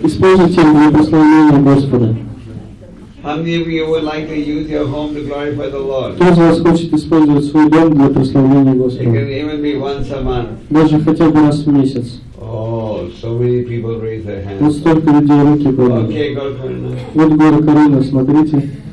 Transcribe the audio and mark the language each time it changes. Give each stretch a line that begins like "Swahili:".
Russian: Используйте его для прославления Господа.
English: How many of you would like to use your home to glorify the Lord?
Russian: Кто из вас хочет использовать свой дом для прославления Господа?
English: It can even be once a month.
Russian: Даже хотя бы раз в месяц.
English: Oh, so many people raise their hands.
Russian: Вот столько людей руки подняли.
English: Okay, Гаура
Russian: Каруна. Вот Гаура Каруна, смотрите.